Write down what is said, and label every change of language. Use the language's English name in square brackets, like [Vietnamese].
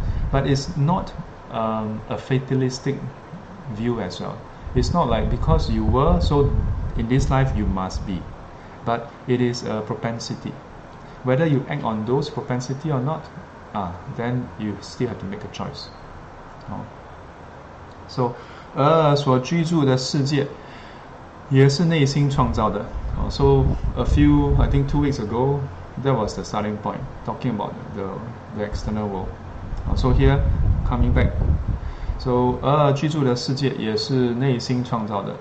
[English] But it's not a fatalistic view as well. It's not like because you were, so in this life you must be. But it is a propensity. Whether you act on those propensity or not, then you still have to make a choice. [Chinese] So, 而所居住的世界也是内心创造的. [English] So, I think 2 weeks ago, that was the starting point, talking about the external world. So here, coming back. [Chinese] So, 而居住的世界也是内心创造的.